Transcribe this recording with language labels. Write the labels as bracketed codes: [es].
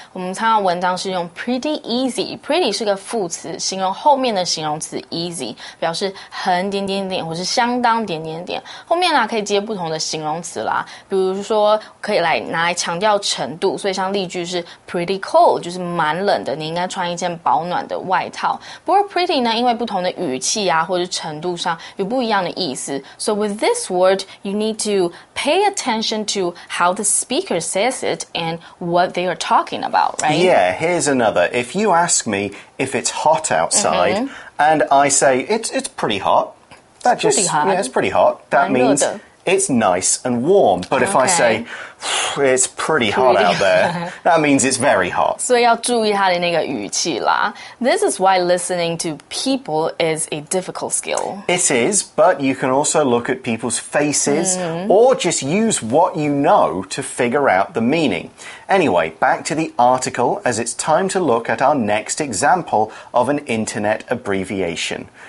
[zh] 我们看到文章是用 pretty easy， pretty 是个副词，形容后面的形容词 easy， 表示很点点点或是相当点点点。后面呢可以接不同的形容词啦，比如说可以来拿来强调程度，所以像例句是 pretty cold， 就是蛮冷的，你应该穿一件保暖的外套。不过 pretty 呢，因为不同的语气啊或是程度上有不一样的意思 [en] ，so withThis word, you need to pay attention to how the speaker says it and what they are talking about, right? Yeah, here's another. If you ask me if it's hot outside, and I say, it's pretty hot. It's pretty hot. Yeah, it's pretty hot. That means it's nice and warm. But if I say, it's pretty hot out there, that means it's very hot. [zh] 所以要注意它的那个语气啦。 [en] This is why listening to people is a difficult skill. It is, but you can also look at people's faces、mm-hmm. or just use what you know to figure out the meaning. Anyway, back to the article as it's time to look at our next example of an internet abbreviation.